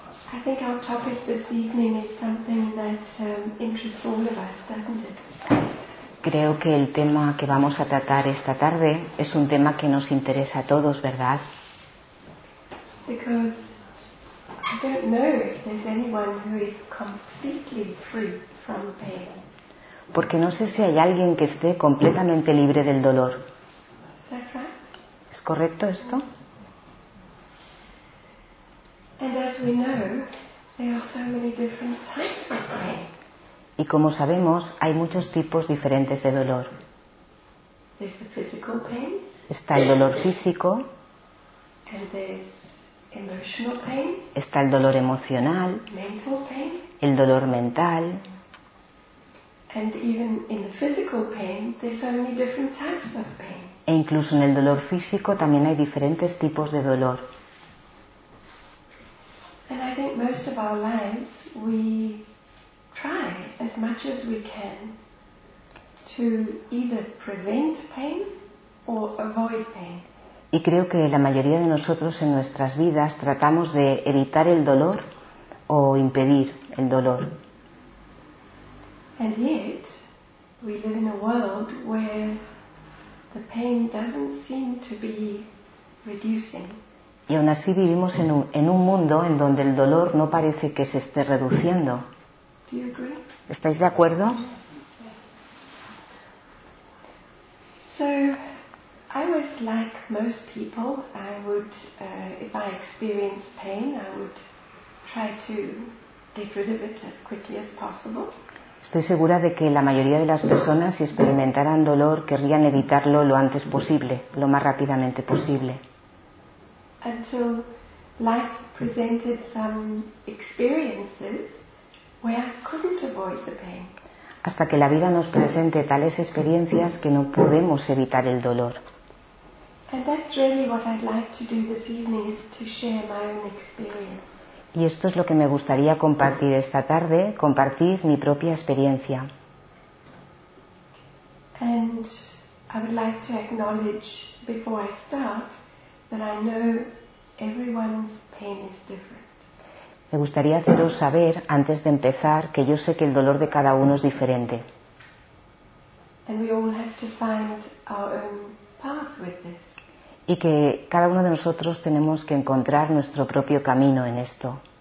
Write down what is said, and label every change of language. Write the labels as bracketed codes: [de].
[en] I think our topic this evening is something that interests all of us, doesn't it? [es] Creo que el tema que vamos a tratar esta tarde es un tema que nos interesa a todos, ¿verdad? [en] Because I don't know if there's anyone who is completely free from pain. [es] Porque no sé si hay alguien que esté completamente libre del dolor. [en] Is that right? [es] ¿Es correcto esto? [en] And as we know, there are so many different types of pain. [es] Y como sabemos, hay muchos tipos diferentes de dolor. [en] There's the physical pain. [es] Está el dolor físico. [en] And there's emotional pain. [es] Está el dolor emocional. [en] Mental pain. [es] El dolor mental. [en] And even in the physical pain, there's so many different types of pain. [es] E incluso en el dolor físico también hay diferentes tipos de dolor. [en] And I think most of our lives we try as much as we can to either prevent pain or avoid pain. [es] Y creo que la mayoría de nosotros en nuestras vidas tratamos de evitar el dolor o impedir el dolor. [en] And yet, we live in a world where the pain doesn't seem to be reducing. [es] Y aún así vivimos en un mundo en donde el dolor no parece que se esté reduciendo. [en] Do you agree? [es] ¿Estáis de acuerdo? [en] So, I was like most people. I would, if I experienced pain, I would try to get rid of it as quickly as possible. [es] Estoy segura de que la mayoría de las personas, si experimentaran dolor, querrían evitarlo lo antes posible, lo más rápidamente posible. [en] Until life presented some experiences where I couldn't avoid the pain. [es] Hasta que la vida nos presente tales experiencias que no podemos evitar el dolor. [en] And that's really what I'd like to do this evening is to share my own experience. [es] Y esto es lo que me gustaría compartir esta tarde, compartir mi propia experiencia. [en] And I would like to acknowledge before I start that I know everyone's pain is different. [es] Me gustaría haceros saber antes de empezar que yo sé que el dolor de cada uno es diferente. [en] And we all have to find our own path with this. [es] Y que cada uno de nosotros tenemos que encontrar nuestro propio camino en esto.